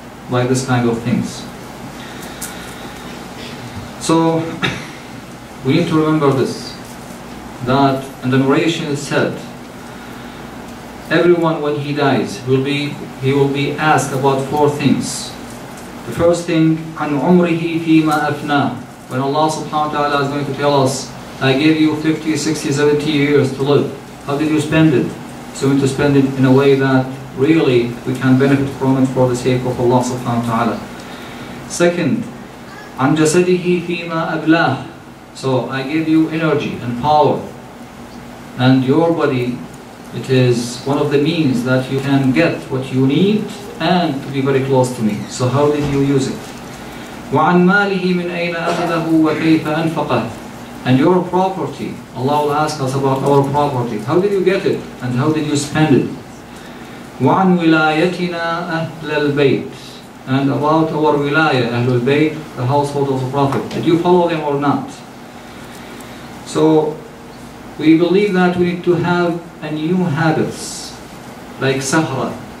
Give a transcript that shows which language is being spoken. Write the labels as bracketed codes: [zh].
[en] By this kind of things. So we need to remember this, that in the narration it said, everyone, when he dies, will be asked about four things. The first thing, [ar] عن عمره فيما أفنى. [en] When Allah subhanahu wa ta'ala is going to tell us, I gave you 50, 60, 70 years to live. How did you spend it? So we need to spend it in a way that really we can benefit from it for the sake of Allah subhanahu wa ta'ala. Second, [ar] عن جسده فيما أبلاه. [en] So I gave you energy and power. And your body, it is one of the means that you can get what you need and to be very close to me. So how did you use it? [ar] وعن ماله من أين أخذه وكيف أنفقه. [en] And your property, Allah will ask us about our property. How did you get it and how did you spend it? [ar] وعن ولايتنا أهل البيت. [en] And about our wilaya, [ar] أهل البيت, [en] the household of the Prophet. Did you follow them or not? So we believe that we need to have a new habits like sahra.